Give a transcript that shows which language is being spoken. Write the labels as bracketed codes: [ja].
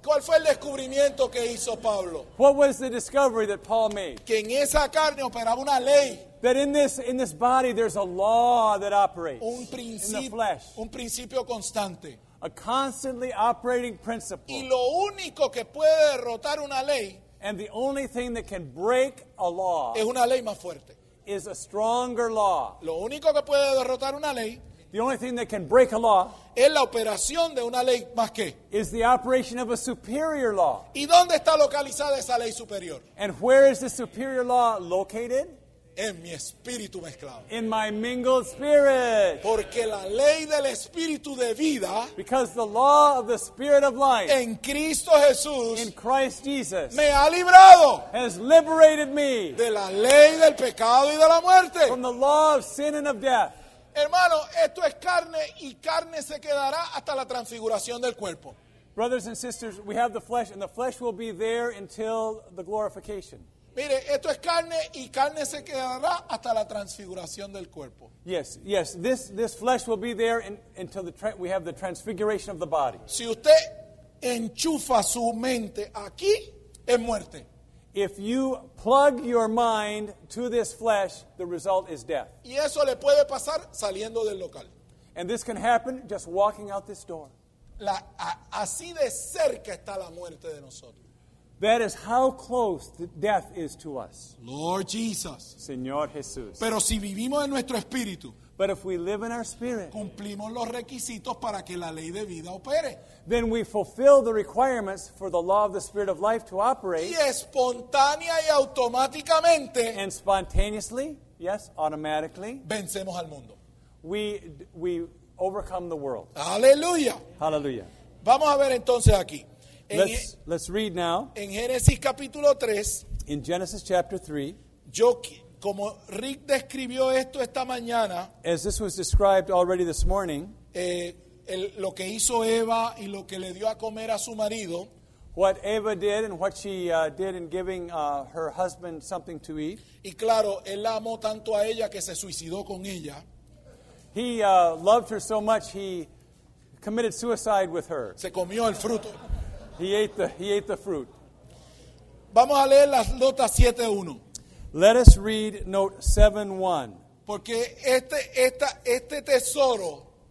[es] ¿Cuál fue el descubrimiento que hizo Pablo? [en] What was the discovery that Paul made? [es] Que en esa carne operaba una ley. [en] That in this body there's a law that operates. [es] Un principio, [en] in the flesh. [es] Un principio constante. [en] A constantly operating principle. [es] Y lo único que puede derrotar una ley, [en] and the only thing that can break a law, [es] es una ley más fuerte, [en] is a stronger law. [es] Lo único que puede derrotar una ley, [en] the only thing that can break a law, [es] es la operación de una ley más que, [en] is the operation of a superior law. [es] ¿Y dónde está localizada esa ley superior? [en] And where is the superior law located? [es] En mi espíritu mezclado. [en] In my mingled spirit. [es] Porque la ley del espíritu de vida. [en] Because the law of the spirit of life. [es] En Cristo Jesús. [en] In Christ Jesus. [es] Me ha librado. [en] Has liberated me. [es] De la ley del pecado y de la muerte. [en] From the law of sin and of death. [es] Hermano, esto es carne y carne se quedará hasta la transfiguración del cuerpo. [en] Brothers and sisters, we have the flesh and the flesh will be there until the glorification. [es] Mire, esto es carne y carne se quedará hasta la transfiguración del cuerpo. [en] Yes, this flesh will be there until we have the transfiguration of the body. [es] Si usted enchufa su mente aquí, es muerte. [en] If you plug your mind to this flesh, the result is death. [es] Y eso le puede pasar saliendo del local. [en] And this can happen just walking out this door. [es] Así de cerca está la muerte de nosotros. [en] That is how close the death is to us. Lord Jesus. [es] Señor Jesús. Pero si vivimos en nuestro espíritu. [en] But if we live in our spirit. [es] Cumplimos los requisitos para que la ley de vida opere. [en] Then we fulfill the requirements for the law of the spirit of life to operate. [es] Y espontánea y automáticamente. [en] And spontaneously, yes, automatically. [es] Vencemos al mundo. [en] We overcome the world. [es] Aleluya. [en] Hallelujah. [es] Vamos a ver entonces aquí. [en] Let's read now. [es] En Génesis capítulo 3. [en] In Genesis chapter 3. [es] Yo, como Rick describió esto esta mañana. [en] As this was described already this morning. [es] Lo que hizo Eva y lo que le dio a comer a su marido. [en] What Eva did and what she did in giving her husband something to eat. [es] Y claro, él la amó tanto a ella que se suicidó con ella. [en] He loved her so much he committed suicide with her. [es] Se comió el fruto. [en] He ate the fruit. [es] Vamos a leer las notas 7:1. [en] Let us read note 7:1. [es] Porque este tesoro.